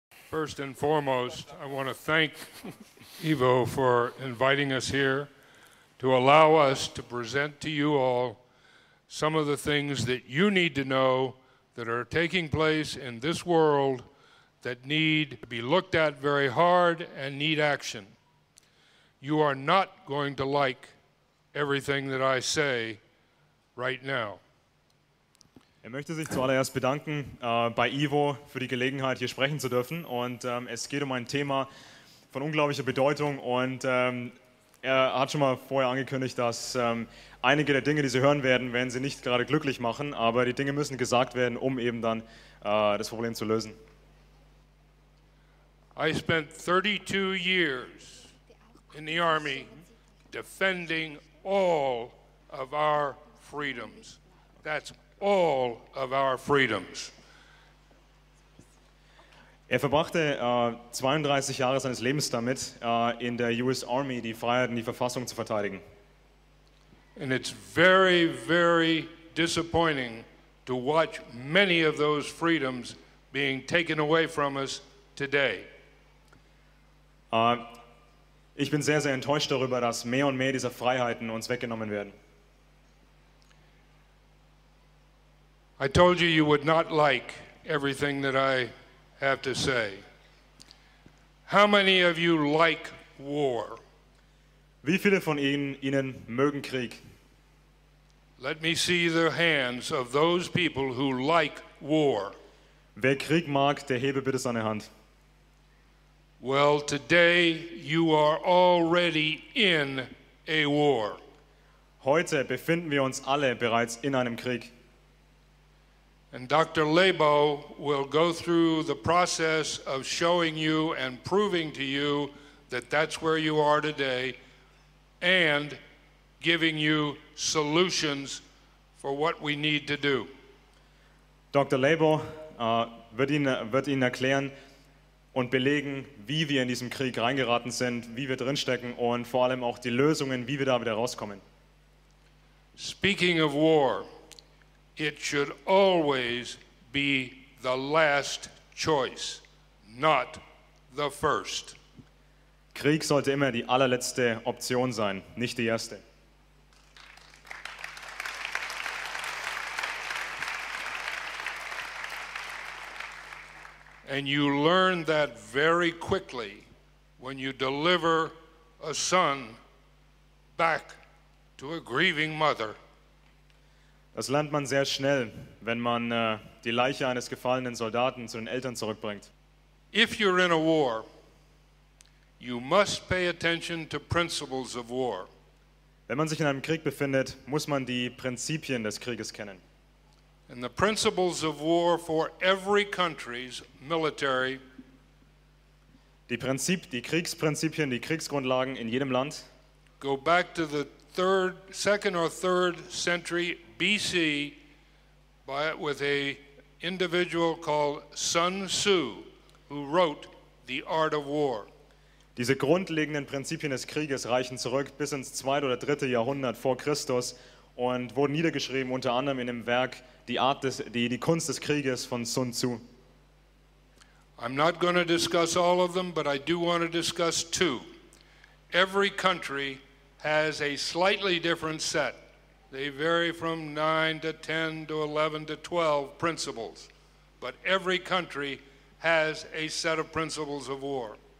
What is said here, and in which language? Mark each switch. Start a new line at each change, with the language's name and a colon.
English: First and foremost, I want to thank Ivo for inviting us here to allow us to present to you all some of the things that you need to know that are taking place in this world that need to be looked at very hard and need action. You are not going to like everything that I say right now.
German: Er möchte sich zuallererst bedanken bei Ivo für die Gelegenheit, hier sprechen zu dürfen. Und es geht um ein Thema von unglaublicher Bedeutung. Und er hat schon mal vorher angekündigt, dass einige der Dinge, die Sie hören werden, werden Sie nicht gerade glücklich machen. Aber die Dinge müssen gesagt werden, um eben dann das Problem zu lösen.
English: I spent 32 years in the army defending all of our freedoms. That's all of our freedoms.
German: Er verbrachte 32 Jahre seines Lebens damit, in der US Army die Freiheit und die Verfassung zu verteidigen.
English: And it's very, very disappointing to watch many of those freedoms being taken away from us today.
German: Ich bin sehr, sehr enttäuscht darüber, dass mehr und mehr dieser Freiheiten uns weggenommen werden.
English: I told you you would not like everything that I have to say. How many of you like war?
German: Wie viele von Ihnen mögen Krieg?
English: Let me see the hands of those people who like war.
German: Wer Krieg mag, der hebe bitte seine Hand.
English: Well, today you are already in a war.
German: Heute befinden wir uns alle bereits in einem Krieg.
English: And Dr. Laibow will go through the process of showing you and proving to you that that's where you are today and giving you solutions for what we need to do.
German: Dr. Laibow wird Ihnen erklären und belegen, wie wir in diesem Krieg reingeraten sind, wie wir drinstecken und vor allem auch die Lösungen, wie wir da wieder rauskommen.
English: Speaking of war, it should always be the last choice, not the first.
German: Krieg sollte immer die allerletzte Option sein, nicht die erste.
English: And you learn that very quickly when you deliver a son back to a grieving mother.
German: Das lernt man sehr schnell, wenn man die Leiche eines gefallenen Soldaten zu den Eltern zurückbringt.
English: If you're in a war, you must pay attention to principles of war.
German: Wenn man sich in einem Krieg befindet, muss man die Prinzipien des Krieges kennen.
English: And the principles of war for every country's military.
German: Die Kriegsprinzipien, die Kriegsgrundlagen in jedem Land.
English: Go back to the second or third century BC with a individual called Sun Tzu, who wrote The Art of War.
German: Diese grundlegenden Prinzipien des Krieges reichen zurück bis ins zweite oder dritte Jahrhundert vor Christus und wurden niedergeschrieben unter anderem in dem Werk die Kunst des Krieges von Sun Tzu.
English: I'm not going to discuss all of them, but I do want to discuss two. Every country has a slightly different set. They vary from 9 to 10 to 11 to 12 principles, but every country has a set of principles of war.